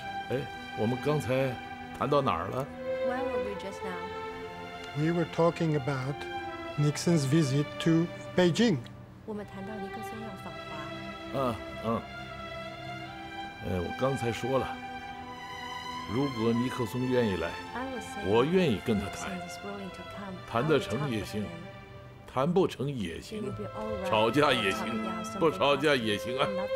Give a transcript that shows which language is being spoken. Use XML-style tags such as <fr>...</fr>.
<zh>哎，我们刚才谈到哪儿了</zh> <en>？Where were we just now? We were talking about Nixon's visit to Beijing.</en> <zh>我们谈到尼克松要访华。我刚才说了。如果尼克松愿意来，我愿意跟他谈，谈得成也行，谈不成也行，吵架也行，不吵架也行啊。</zh>